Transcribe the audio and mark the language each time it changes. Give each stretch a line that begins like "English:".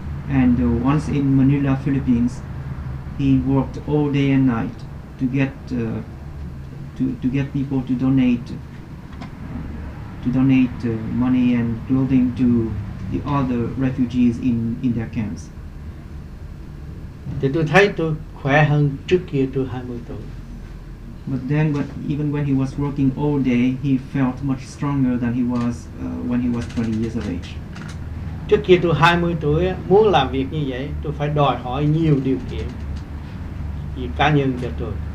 English: And once in Manila, Philippines, he worked all day and night to get people to donate money and clothing to the other refugees in their camps.
Vietnamese: Thì tôi thấy tôi khỏe hơn trước kia tôi 20 tuổi.
English: But then, even when he was working all day, he felt much stronger than he was when he was 20 years of age.
Vietnamese: Trước kia tôi 20 tuổi muốn làm việc như vậy, tôi phải đòi hỏi nhiều điều kiện về cá nhân cho tôi.